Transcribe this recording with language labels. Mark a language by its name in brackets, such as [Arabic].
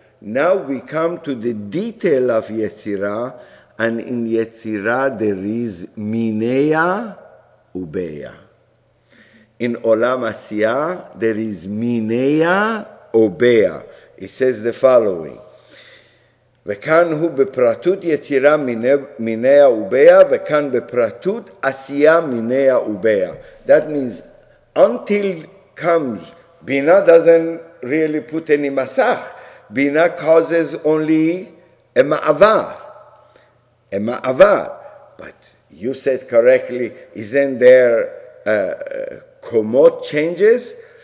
[English] Now we come to the detail of יצירה, and in יצירה there is מיניה ובעיה. In Olam Asiya, there is Mineya Obeya. It says the following. [Hebrew] וכאן הוא בפרטות יצירה מיניה ובייה, וכאן בפרטות עשייה מיניה ובייה. [English] That means, until comes, בינה doesn't really put any מסך. בינה causes only a מעבר. A מעבר. But you said correctly, isn't there קומות changes?